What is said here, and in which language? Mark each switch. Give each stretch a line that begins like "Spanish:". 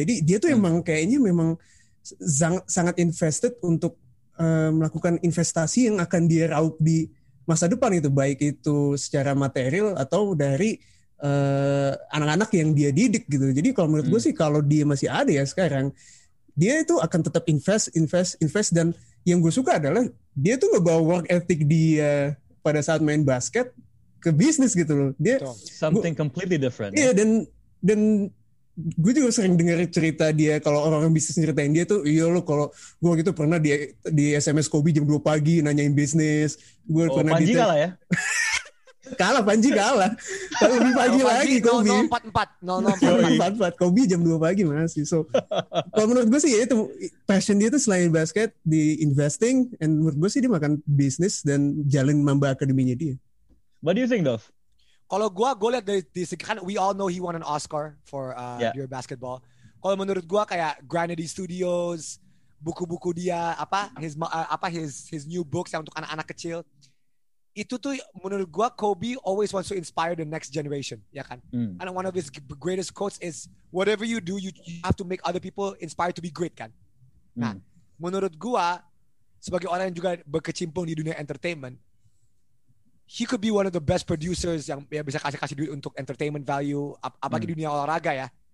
Indonesian: Jadi dia tuh emang kayaknya memang sangat invested untuk melakukan investasi yang akan dia raup di masa depan itu, baik itu secara material atau dari anak-anak yang dia didik gitu. Jadi kalau menurut gue sih kalau dia masih ada ya sekarang, dia itu akan tetap invest, dan yang gue suka adalah dia tuh ngebawa work ethic dia pada saat main basket ke bisnis gitu loh. Dia
English: something completely different.
Indonesian: Iya, dan gue juga sering dengar cerita dia, kalau orang bisnis ceritain dia tuh, iya lo kalau gue gitu pernah di SMS Kobe jam 2 pagi nanyain bisnis. Gue pernah Panji kalah ya? Kalah, Panji kalah. Lebih pagi lagi Kobe. 0044. Kobe jam 2 pagi masih. So, kalau menurut gue sih ya itu, passion dia tuh selain basket, di investing, and menurut gue sih dia makan bisnis dan jalan Mamba Akademinya dia.
English: What do you think, Dov?
Indonesian: Kalau gue liat dari
English: this,
Indonesian: kan
English: we all know he won an Oscar for your basketball.
Indonesian: Kalau menurut gue kayak Granity Studios, buku-buku dia,
English: his new books
Indonesian: yang untuk anak-anak kecil, itu tuh menurut gue
English: Kobe always wants to inspire the next generation,
Indonesian: ya kan?
English: And one of his greatest quotes is, whatever you do, you have to make other people inspired to be great,
Indonesian: kan? Nah, menurut gue, sebagai orang yang juga berkecimpung di dunia entertainment,
English: he could be one of the best producers
Indonesian: yang bisa kasih duit untuk entertainment value apalagi dunia olahraga ya.